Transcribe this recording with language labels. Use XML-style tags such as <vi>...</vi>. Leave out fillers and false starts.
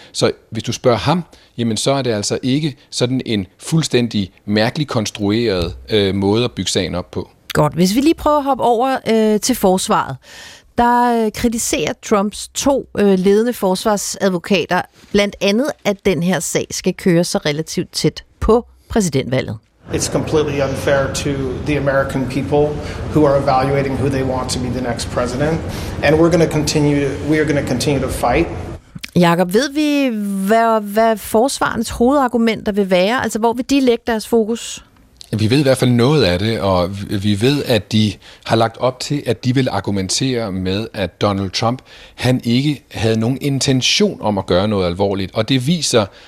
<da>Så hvis du spørger ham, jamen så er det altså ikke sådan en fuldstændig mærkelig konstrueret måde at bygge sagen op på. Godt. Hvis vi lige prøver at hoppe over til forsvaret. Der kritiserer Trumps to ledende forsvarsadvokater blandt andet, at den her sag skal køre sig relativt tæt på præsidentvalget.</da> <en>It's completely unfair to the American people who are evaluating who they want to be the next president, and we are going to continue to fight.</en> <da>Jacob, ved vi hvad forsvarens hovedargumenter vil være, altså hvor vil de lægge deres fokus? Vi ved i hvert fald noget af det, og vi ved, at de har lagt op til, at de vil argumentere med, at Donald Trump, han ikke havde nogen intention om at gøre noget alvorligt, og det viser</da>